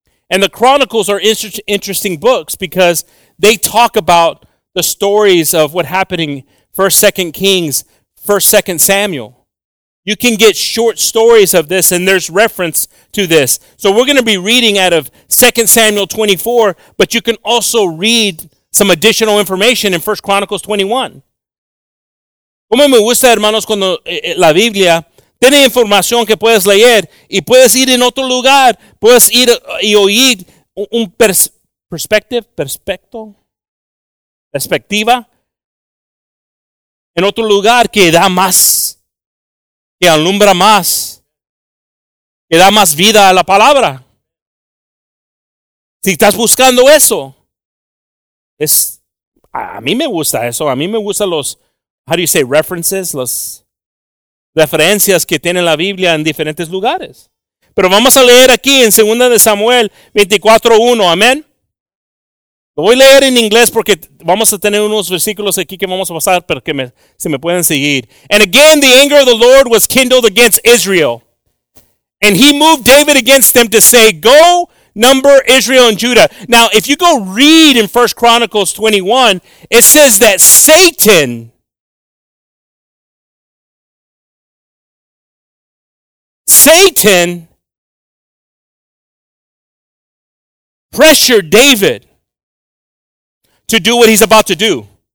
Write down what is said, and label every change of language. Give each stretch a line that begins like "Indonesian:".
English: And the Chronicles are interesting books because they talk about the stories of what happened in 1st, 2nd Kings, 1st, 2nd Samuel. You can get short stories of this, and there's reference to this. So we're going to be reading out of 2 Samuel 24, but you can also read some additional information in 1 Chronicles 21.
Spanish: Como me gusta, hermanos, cuando la Biblia tiene información que puedes leer y puedes ir en otro lugar, puedes ir y oír un perspectiva en otro lugar que da más, que alumbra más, que da más vida a la palabra. Si estás buscando eso, es, a mí me gusta eso. A mí me gustan los,
English: how do you say, references,
Spanish: las referencias que tiene la Biblia en diferentes lugares. Pero vamos a leer aquí en 2 Samuel 24:1. Amén. Lo voy a leer en inglés porque vamos a tener unos versículos aquí que vamos a pasar para que se me puedan seguir.
English: And again the anger of the Lord was kindled against Israel. And he moved David against them to say, go number Israel and Judah. Now, if you go read in 1 Chronicles 21, it says that Satan pressured David to do what he's about to do.